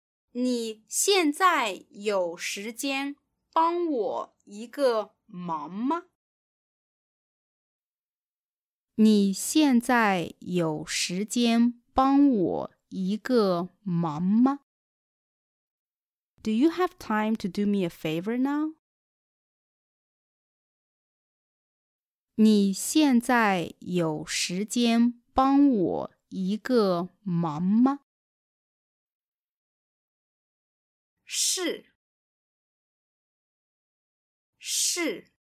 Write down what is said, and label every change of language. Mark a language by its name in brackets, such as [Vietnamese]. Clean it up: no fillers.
[Chinese] 你现在有时间帮我一个忙吗？你现在有时间帮我一个忙吗？ [English] Do you have time to do me a favor now? [Chinese] 你现在有时间帮我一个忙吗？是。是。